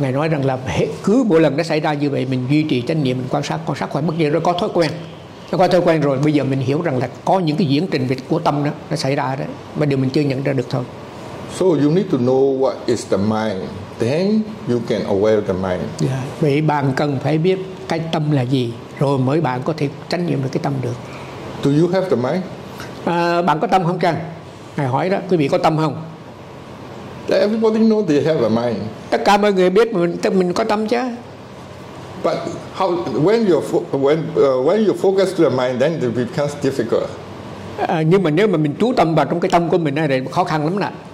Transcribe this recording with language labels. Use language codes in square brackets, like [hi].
[vi] Ngài nói rằng là cứ mỗi lần nó xảy ra như vậy, mình duy trì chánh niệm, mình quan sát hoài, bất kỳ rồi có thói quen. Nó có thói quen rồi, bây giờ mình hiểu rằng là có những cái diễn trình của tâm đó, nó xảy ra đó, mà điều mình chưa nhận ra được thôi. [en] So you need to know what is the mind, then you can aware the mind. Yeah. [vi] Vậy bạn cần phải biết cái tâm là gì, rồi mới bạn có thể chánh niệm được cái tâm được. [en] Do you have the mind? [vi] Bạn có tâm không Trang? Ngài hỏi đó, quý vị có tâm không? [en] Everybody know they have a mind. [vi] Tất cả mọi người biết mình có tâm chứ. [en] But how when you focus to the mind, then it becomes difficult. [vi] Nhưng mà nếu mà mình chú tâm vào trong cái tâm của mình này thì khó khăn lắm nè.